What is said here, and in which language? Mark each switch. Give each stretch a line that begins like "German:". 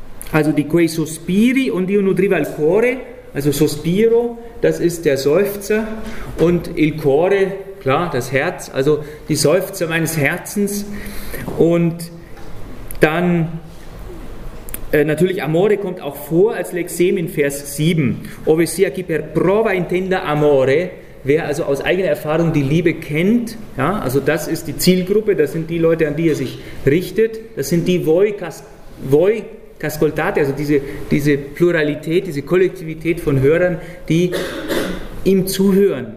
German: Also die quae sospiri und
Italian: io nutriva il cuore,
German: also sospiro, das ist der Seufzer, und il cuore, klar, das Herz, also die Seufzer meines Herzens. Und dann natürlich amore kommt auch vor als Lexem in Vers 7.
Italian: Ove sia chi per prova intenda amore.
German: Wer also aus eigener Erfahrung die Liebe kennt, ja, also das ist die Zielgruppe, das sind die Leute, an die er sich richtet, das sind die
Italian: voi cascoltate,
German: also diese Pluralität, diese Kollektivität von Hörern, die ihm zuhören.